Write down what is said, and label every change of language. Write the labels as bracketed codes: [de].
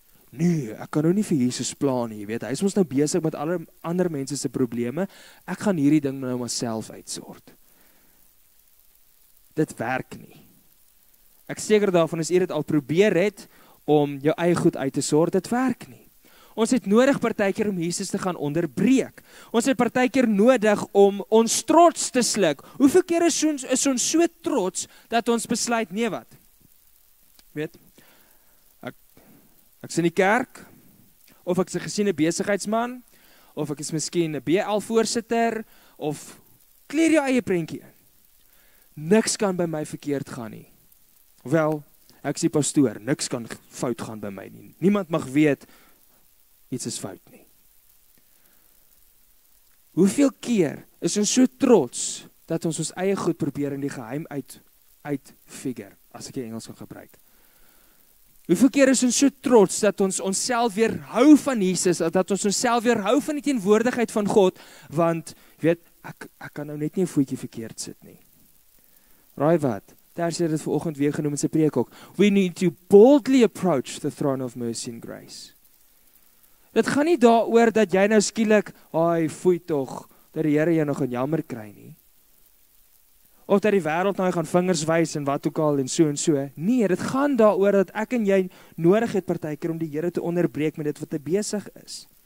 [af] Nee, ek kan nou nie vir Jesus pla nie, jy weet, hy is ons nou besig met alle ander mense se probleme. Ek gaan hierdie ding nou myself uitsort. Dit werk nie. Ek seker daarvan as jy dit al probeer het om jou eie goed uit te sort, dit werk nie. Ons het nodig partykeer om Jesus te gaan onderbreek. Ons het partykeer nodig om ons trots te sluk. Hoeveel keer is ons so trots dat ons besluit nee wat? Weet? Ek is in die kerk of ek is 'n gesiene besigheidsman of ek is miskien 'n BL voorsitter of klier jou eie prentjie in. Niks kan by my verkeerd gaan nie. Wel, ek is die pastoor, niks kan fout gaan by my nie. Niemand mag weet, iets is fout nie. Hoeveel keer is ons so trots, dat ons eie goed probeer in die geheim uitfigure, as ek die Engels kan gebruik. Hoeveel keer is ons so trots, dat ons onsself weer hou van Jesus, dat ons onsself weer hou van die teenwoordigheid van God, want, weet, ek kan nou net nie 'n voetjie verkeerd sit nie. Raai wat? Daar sê dit vanoggend weer genoem in sy preek ook. [en] We need to boldly approach the throne of mercy and grace. [af] Dit gaan nie daaroor dat jy nou skielik, haai, foei tog, dat die Here jou nog in jammer kry nie. Of dat die wêreld nou gaan vingers wys en wat ook al en so. Nee, dit gaan daaroor dat ek en jy nodig het partykeer om die Here te onderbreek met dit wat te besig is.